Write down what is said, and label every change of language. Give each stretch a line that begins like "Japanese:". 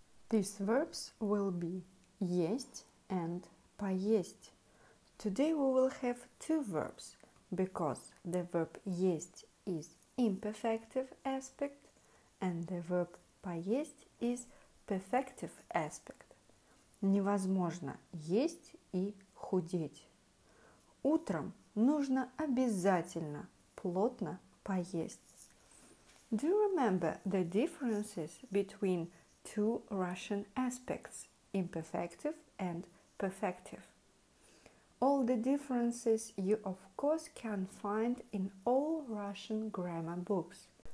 English: These verbs will be есть and поесть. Today we will have two verbs, because the verb есть is imperfective aspect and the verb поесть is perfective aspect.
Russian: Невозможно есть и худеть. Утром нужно обязательно плотно поесть.
English: Do you remember the differences between two Russian aspects, imperfective and perfective? All the differences you of course can find in all Russian grammar books.